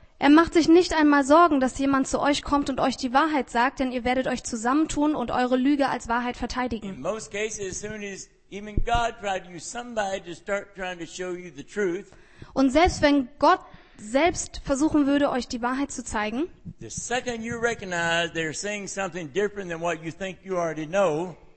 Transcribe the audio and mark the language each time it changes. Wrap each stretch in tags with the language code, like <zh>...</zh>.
<de>Er macht sich nicht einmal Sorgen, dass jemand zu euch kommt und euch die Wahrheit sagt, denn ihr werdet euch zusammentun und eure Lüge als Wahrheit verteidigen.</de> <en>In most cases, as soon as even God tried to use somebody to start trying to show you the truth.</en> <de>Und selbst wenn Gott selbst versuchen würde, euch die Wahrheit zu zeigen,</de> <en>the second you recognize they're saying something different than what you think you already know.</en>